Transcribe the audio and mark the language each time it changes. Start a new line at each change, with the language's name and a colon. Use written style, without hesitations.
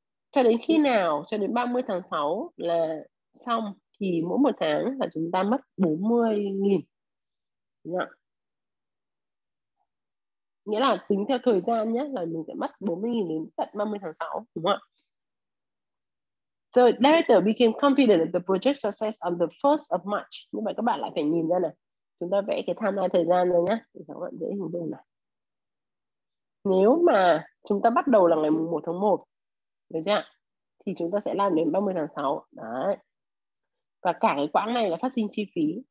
Vietnamese: Cho đến khi nào, cho đến 30 tháng 6 là xong, thì mỗi một tháng là chúng ta mất 40.000. Nghĩa là tính theo thời gian nhé, là mình sẽ mất 40.000 đến tận 30 tháng 6, đúng không ạ?
English: The director became confident of the project success on the first of March.
Vietnamese: Nhưng mà các bạn lại phải nhìn ra này. Chúng ta vẽ cái timeline thời gian rồi nhé. Để các bạn dễ hình dung này. Nếu mà chúng ta bắt đầu là ngày 1 tháng 1, được chưa? Thì chúng ta sẽ làm đến 30 tháng 6. Đấy. Và cả cái quãng này là phát sinh chi phí.